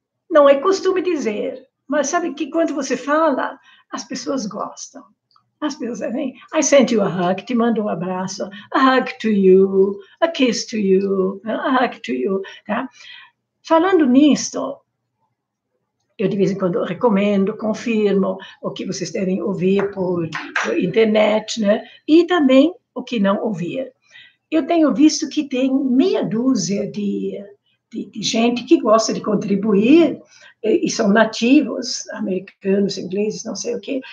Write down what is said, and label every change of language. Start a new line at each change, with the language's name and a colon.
Portuguese: Não é costume dizer. Mas sabe que quando você fala, as pessoas gostam. As pessoas dizem,
English: I sent you a hug,
Portuguese: te mando um abraço.
English: A hug to you, a kiss to you, a hug to you.
Portuguese: Tá? Falando nisto, Eu, de vez em quando, recomendo, confirmo o que vocês devem ouvir por internet, né? E também o que não ouvir. Eu tenho visto que tem meia dúzia de gente que gosta de contribuir e são nativos, americanos, ingleses, não sei o quê.